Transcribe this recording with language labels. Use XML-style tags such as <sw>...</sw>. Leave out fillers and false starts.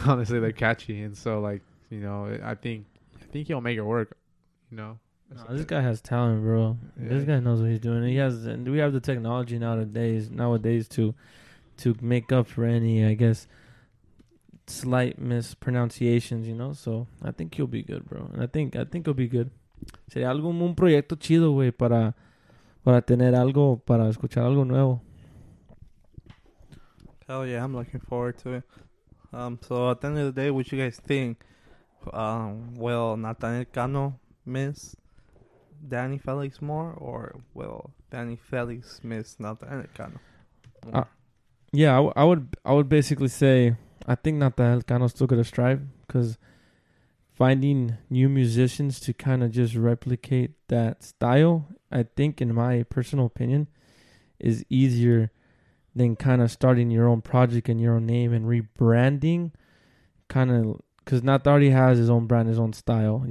<en>Honestly, they're catchy, and so like, you know, I think he'll make it work. You know, this guy has talent, bro. Yeah. This guy knows what he's doing. He has, and we have the technology nowadays to make up for any, I guess, slight mispronunciations, you know. So I think he'll be good, bro. And I think he'll be good.</en> <es>Sería algo un proyecto chido, güey, para tener algo, para escuchar algo nuevo.</es> <en>Hell yeah, I'm looking forward to it. So at the end of the day, what you guys think? Will Nathaniel Cano miss Danny Felix more, or will Danny Felix miss Nathaniel Cano more? I would basically say I think Nathaniel Cano still gonna strive, because finding new musicians to kind of just replicate that style, I think, in my personal opinion, is easier than kind of starting your own project and your own name and rebranding, kind of, because Nath already has his own brand, his own style.</en>